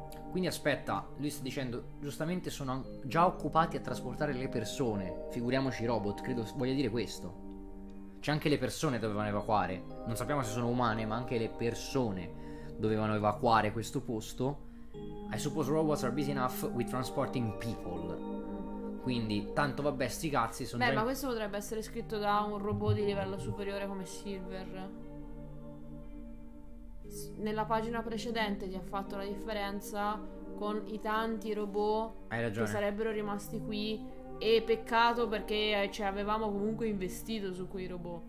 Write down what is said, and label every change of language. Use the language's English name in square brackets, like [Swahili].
[Italian] Quindi aspetta, lui sta dicendo, giustamente sono già occupati a trasportare le persone, figuriamoci i robot, credo voglia dire questo. cioè anche le persone dovevano evacuare, non sappiamo se sono umane, ma anche le persone dovevano evacuare questo posto. [English] I suppose robots are busy enough with transporting people. [Italian] Quindi tanto vabbè, sti cazzi, sono... Beh, ma questo potrebbe essere scritto da un robot di livello superiore come Silver. Nella pagina precedente ti ha fatto la differenza con i tanti robot. Hai ragione. Che sarebbero rimasti qui. E peccato, perché ci avevamo comunque investito su quei robot.